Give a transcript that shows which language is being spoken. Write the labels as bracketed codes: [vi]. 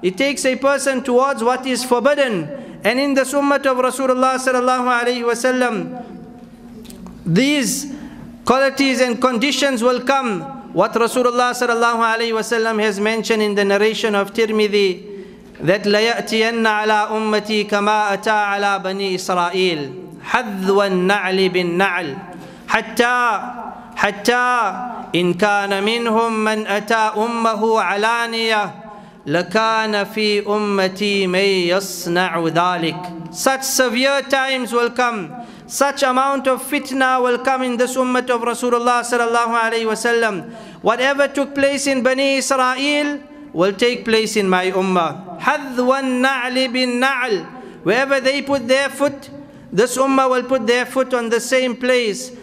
[en] It takes a person towards what is forbidden. And in the summat of Rasulullah sallallahu alayhi wa sallam, these qualities and conditions will come. What Rasulullah sallallahu alayhi wa sallam has mentioned in the narration of Tirmidhi, that [ar] لَيَأْتِيَنَّ عَلَىٰ أُمَّتِي كَمَا أَتَىٰ عَلَىٰ بَنِي إِسْرَائِيلِ حَذْوَ النَّعْلِ بِالنَّعْلِ حَتَّىٰ حتى إن كان منهم من أتى أمه علانية لكان في أمتي من يصنع ذلك. [en] Such severe times will come, such amount of fitna will come in this ummah of Rasulullah sallallahu alayhi wa sallam. Whatever took place in Bani Israel will take place in my ummah. [ar] حذو النعل بالنعل. [en] Wherever they put their foot, this ummah will put their foot on the same place.